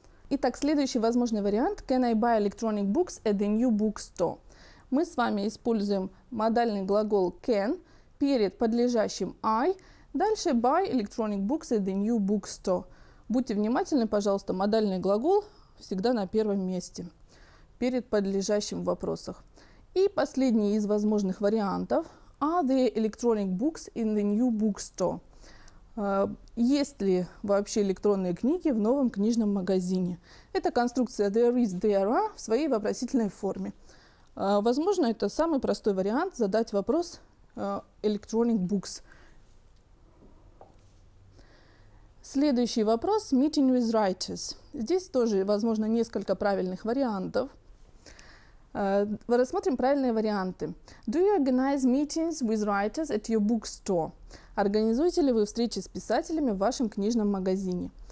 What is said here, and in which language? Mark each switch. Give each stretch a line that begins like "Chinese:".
Russian: Итак, следующий возможный вариант.
English: Can I buy electronic books at the new bookstore?
Russian: Мы с вами используем модальный глагол can перед подлежащим I. Дальше
English: buy electronic books at the new bookstore.
Russian: Будьте внимательны, пожалуйста, модальный глагол всегда на первом месте перед подлежащим в вопросах. И последний из возможных вариантов.
English: Are there electronic books in the new bookstore?
Russian: Есть ли вообще электронные книги в новом книжном магазине? Это конструкция
English: «there is, there are»
Russian: в своей вопросительной форме. Возможно, это самый простой вариант задать вопрос
English: «electronic books».
Russian: Следующий вопрос –
English: «meeting with writers».
Russian: Здесь тоже, возможно, несколько правильных вариантов. Рассмотрим правильные варианты.
English: Do you organize meetings with writers at your bookstore?
Russian: Организуете ли вы встречи с писателями в вашем книжном магазине?